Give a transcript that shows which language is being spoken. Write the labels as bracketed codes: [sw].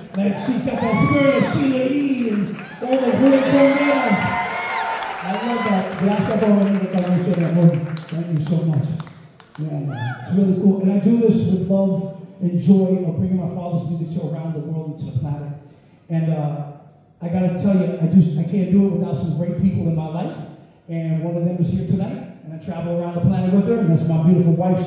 [en] Like she's got that spirit of Sheila E. and all the great drummers. I love that. [es] Gracias por venir a cantar mucho de amor. [en] Thank you so much. Yeah, it's really cool. And I do this with love and joy of bringing my father's music to around the world and to the planet. And I got to tell you, I can't do it without some great people in my life. And one of them is here tonight. And I travel around the planet with her. And that's my beautiful wife.